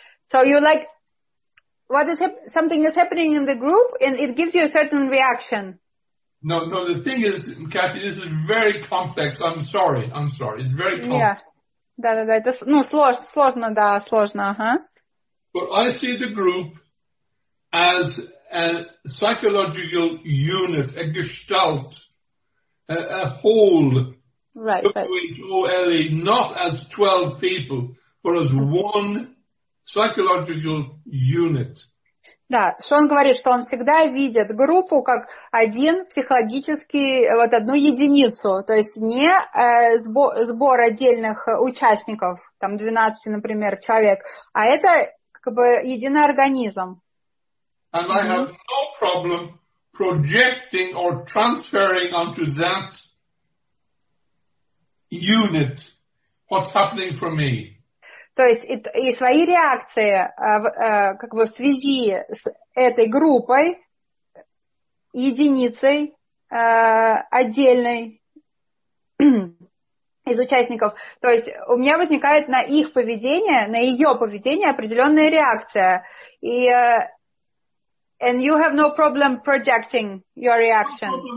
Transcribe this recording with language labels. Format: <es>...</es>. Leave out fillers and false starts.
<en>So you like something is happening in the group and it gives you a certain reaction. No, the thing is, Kathy, this is very complex. I'm sorry. It's very complex. Yeah.</en> <ru>Да. Это, ну, сложно, да, сложно, ага.</ru> <en>But I see the group as a psychological unit, a gestalt, a whole. Right. O-L-E, not as 12 people, but as one psychological unit.</en> <ru>Да, Шон говорит, что он всегда видит группу как один психологический, вот одну единицу, то есть не сбор отдельных участников, там 12, например, человек, а это как бы единый организм.</ru> <en>And I have no problem projecting or transferring onto that unit what's happening for me.</en> <ru>То есть и свои реакции как бы в связи с этой группой, единицей отдельной из участников. То есть у меня возникает на их поведение, на ее поведение определенная реакция.</ru> <en>И and you have no problem projecting your reaction.</en>